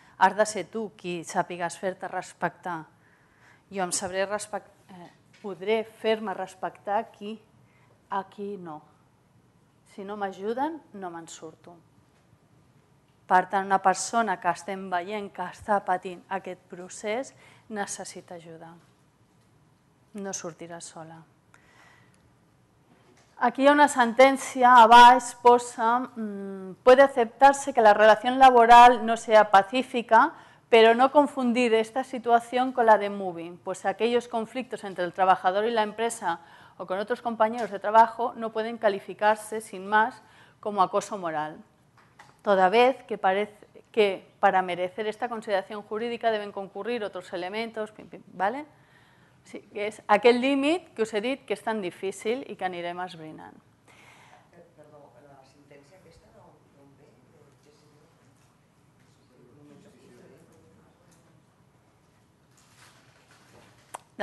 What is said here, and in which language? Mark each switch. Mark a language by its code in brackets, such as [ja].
[ca] Has de ser tu qui sàpigues fer-te respectar. Jo em sabré podré fer-me respectar a qui no. Si no m'ajuden, no me'n surto. Per tant, una persona que estem veient que està patint aquest procés necessita ajuda. No sortirà sola. Aquí hi ha una sentència, a baix posa [es] puede aceptarse que la relación laboral no sea pacífica, pero no confundir esta situación con la de moving. Pues aquellos conflictos entre el trabajador y la empresa o con otros compañeros de trabajo no pueden calificarse, sin más, como acoso moral. Toda vez que parece que para merecer esta consideración jurídica deben concurrir otros elementos, ¿vale? [ca] Sí, és aquell límit que us he dit que és tan difícil i que anirem esbrinant. Perdó, la sentència aquesta no ve?